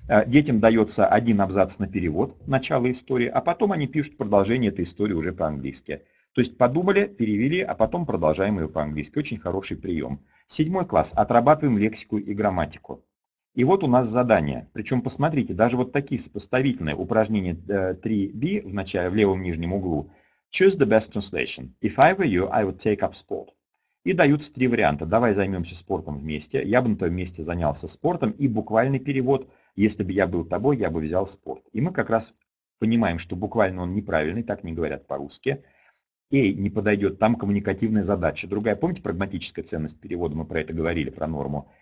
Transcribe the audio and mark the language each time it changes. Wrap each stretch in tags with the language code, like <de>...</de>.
<ru>Детям дается один абзац на перевод, начало истории, а потом они пишут продолжение этой истории уже по-английски. То есть подумали, перевели, а потом продолжаем ее по-английски. Очень хороший прием. Седьмой класс. Отрабатываем лексику и грамматику. И вот у нас задание. Причем посмотрите, даже вот такие сопоставительные упражнения 3B в левом нижнем углу.</ru> <en>Choose the best translation. If I were you, I would take up sport.</en> <ru>И даются три варианта. Давай займемся спортом вместе. Я бы на твоем месте занялся спортом. И буквальный перевод. Если бы я был тобой, я бы взял спорт. И мы как раз понимаем, что буквально он неправильный, так не говорят по-русски. Эй, не подойдет, там коммуникативная задача. Другая, помните, прагматическая ценность перевода, мы про это говорили, про норму.</ru>